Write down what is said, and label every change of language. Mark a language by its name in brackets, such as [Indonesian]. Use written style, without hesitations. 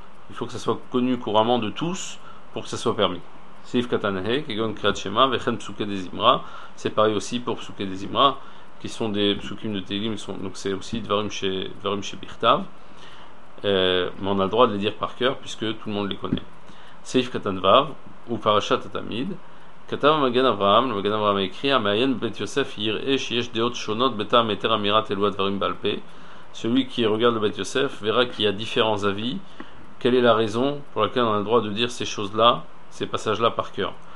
[French] Il faut que ça soit connu couramment de tous pour que ça soit permis. Seif Katanhe, Kegon Kriat Shema, Vechen Psuke des Imra. C'est pareil aussi pour Psuke des Imra, qui sont des psukim de Tehilim, donc c'est aussi Dvarim chez Birtav. Mais on a le droit de les dire par cœur, puisque tout le monde les connaît. Seif Katanvav, ou Parashat Atamid, [Hebrew] כתב המגן אברהם, למגן אברהם הקריא, המעיין בבית יוסף יראה שיש דעות שונות בטעם היתר אמירת אלו הדברים בעל פה. [French] Celui qui regarde le Beth Yosef verra qu'il y a différents avis. Quelle est la raison pour laquelle on a le droit de dire ces choses-là, ces passages-là par cœur?